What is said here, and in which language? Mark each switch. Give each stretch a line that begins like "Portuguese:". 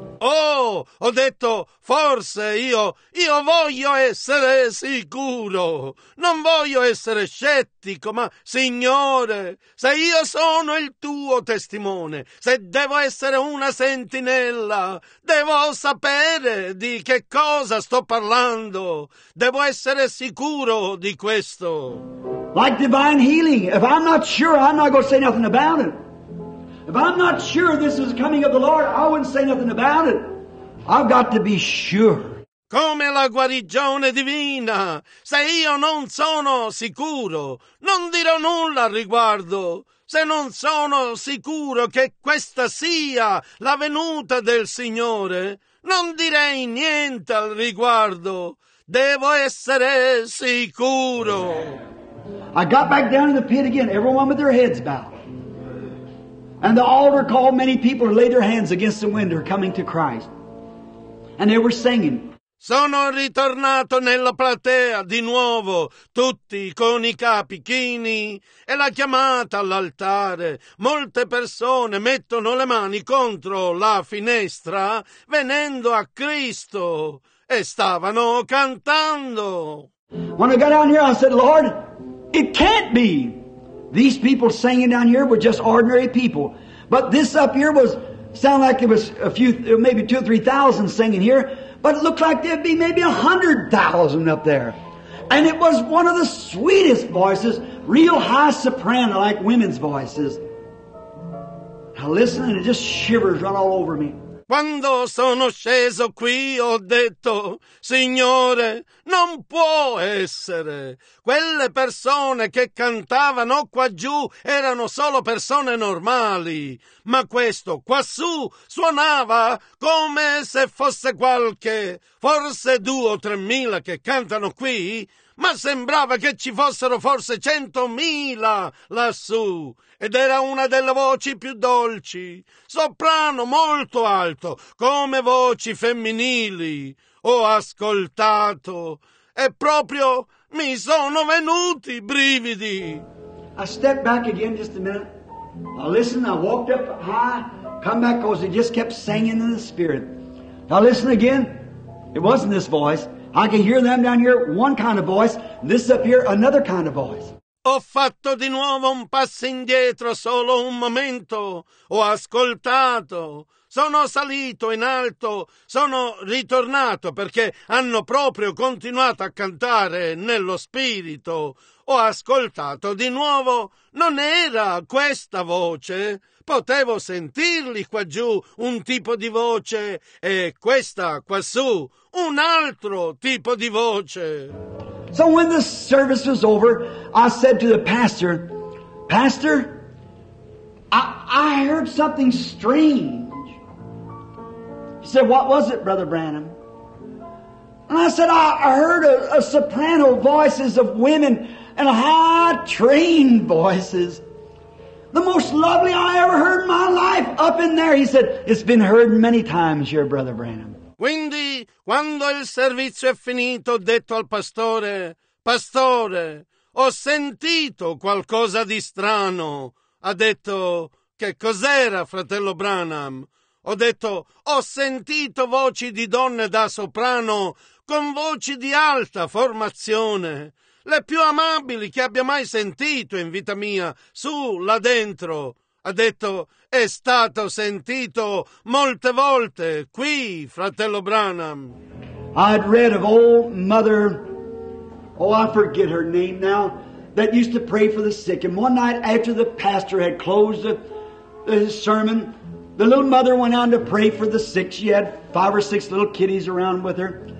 Italian: Oh, ho detto, forse io voglio essere sicuro. Non voglio essere scettico, ma Signore, se io sono il tuo testimone, se devo essere una sentinella, devo sapere di che cosa sto parlando. Devo essere sicuro di questo.
English: Like divine healing, if I'm not sure, I'm not going to say nothing about it. If I'm not sure this is coming of the Lord, I wouldn't say nothing about it. I've got to be sure.
Italian: Come la guarigione divina. Se io non sono sicuro, non dirò nulla al riguardo. Se non sono sicuro che questa sia la venuta del Signore, non direi niente al riguardo. Devo essere sicuro.
English: I got back down in the pit again, everyone with their heads bowed. And the altar called many people to lay their hands against the window coming to Christ. And they were singing.
Italian: Sono ritornato nella platea di nuovo, tutti con i capi chini, e la chiamata all'altare. Molte persone mettono le mani contro la finestra venendo a Cristo e stavano cantando.
English: When I got down here, I said, Lord, it can't be. These people singing down here were just ordinary people. But this up here was, sound like it was a few, maybe 2,000 or 3,000 singing here. But it looked like there'd be maybe 100,000 up there. And it was one of the sweetest voices, real high soprano, like women's voices. I listen and it just shivers run all over me.
Italian: Quando sono sceso qui ho detto, Signore, non può essere. Quelle persone che cantavano qua giù erano solo persone normali, ma questo quassù suonava come se fosse qualche, forse 2,000 or 3,000 che cantano qui, ma sembrava che ci fossero forse 100,000 lassù. Ed era una delle voci più dolci, soprano molto alto, come voci femminili. Ho ascoltato e proprio mi sono venuti i brividi.
English: I stepped back again just a minute. I listened, I walked up high, come back because it just kept singing in the spirit. Now listen again. It wasn't this voice. I can hear them down here, one kind of voice. This up here, another kind of voice.
Italian: Ho fatto di nuovo un passo indietro, solo un momento. Ho ascoltato. sono salito in alto, sono ritornato, perché hanno proprio continuato a cantare nello spirito. Ho ascoltato di nuovo, non era questa voce. Potevo sentirli qua giù un tipo di voce e questa quassù un altro tipo di voce.
English: So when the service was over, I said to the pastor, Pastor, I heard something strange. He said, what was it, Brother Branham? And I said, I heard a soprano voices of women and high-trained voices. The most lovely I ever heard in my life up in there. He said, it's been heard many times here, Brother Branham.
Italian: Quindi, quando il servizio è finito, ho detto al pastore, Pastore, ho sentito qualcosa di strano. Ha detto, che cos'era, fratello Branham? Ho detto, ho sentito voci di donne da soprano con voci di alta formazione, le più amabili che abbia mai sentito in vita mia, su, là dentro. Ha detto, è stato sentito molte volte qui, fratello Branham.
English: I'd read of old mother, I forget her name now, that used to pray for the sick. And one night after the pastor had closed the sermon, the little mother went on to pray for the sick. She had five or six little kiddies around with her.